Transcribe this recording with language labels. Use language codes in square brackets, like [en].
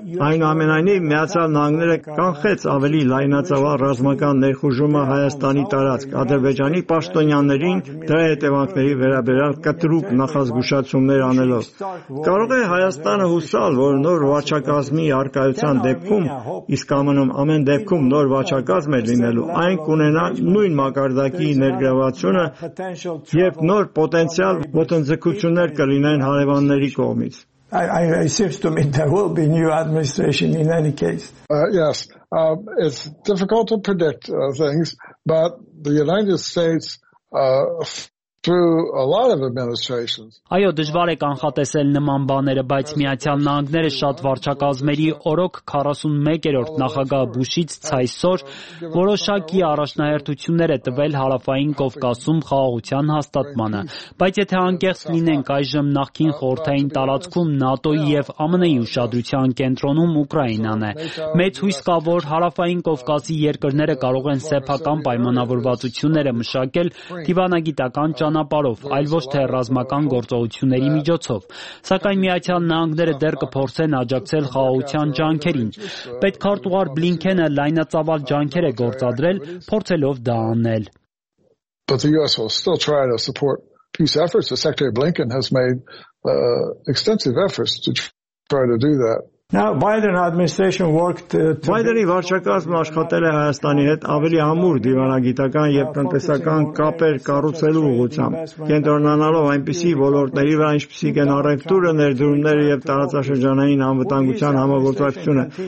[hy] Այնուամենայնիվ Միացյալ Նահանգները կանխեց ավելի լայնածավալ ռազմական ներխուժումը Հայաստանի տարածք, Ադրբեջանի պաշտոնյաներին դրա հետևանքների վերաբերյալ կտրուկ նախազգուշացումներ անելով։ Կարող է Հայաստանը հուսալ, որ նոր վարչակազմի առկայության դեպքում, իսկ ԱՄՆ-ում ամեն դեպքում նոր վարչակազմ է լինելու, այն կունենա նույն մակարդակի ներգրավվածությունը եւ նոր պոտենցիալ ոտնձգություններ կլինեն հարևանների կողմից։ [en] I seems to me there will be new administration in any case. Yes, it's difficult to predict things, but the United States through a lot of administrations. [hy] Այո, դժվար է կանխատեսել նման բաները, բայց Միացյալ Նահանգները շատ վարչակազմերի օրոք 41-րդ նախագահ Բուշից ցայսօր որոշակի առաջնահերթություններ է տվել Հարավային Կովկասում խաղաղության հաստատմանը, բայց եթե անկեղծ լինենք, այժմ նախքին խորհրդային տարածքում ՆԱՏՕ-ի եւ ԱՄՆ-ի ուշադրության կենտրոնում Ուկրաինան է։ Մեծ հույս կա, որ Հարավային Կովկասի երկրները կարող են սեփական պայմանավորվածությունները մշակել դիվանագիտական ճանապարով, այլ ոչ թե ռազմական գործողությունների միջոցով։ Սակայն Միացյալ Նահանգները դեռ կփորձեն աջակցել խաղաղության ջանքերին։ Պետք Քարտուղար Բլինքենը լայնածավալ ջանքեր է գործադրել, փորձելով դա անել։ [en] But the US will still try to support peace efforts. The Secretary Blinken has made extensive efforts to try to do that. Now Biden administration worked [hy] Biden-ի վարչակազմը աշխատել է Հայաստանի հետ ավելի համուր դիվանագիտական եւ տնտեսական կապեր կառուցելու ուղղությամբ, կենտրոնանալով այնպիսի ոլորտների վրա, ինչպիսիք են առևտուրը, ներդրումները եւ տարածաշրջանային անվտանգության համագործակցությունը։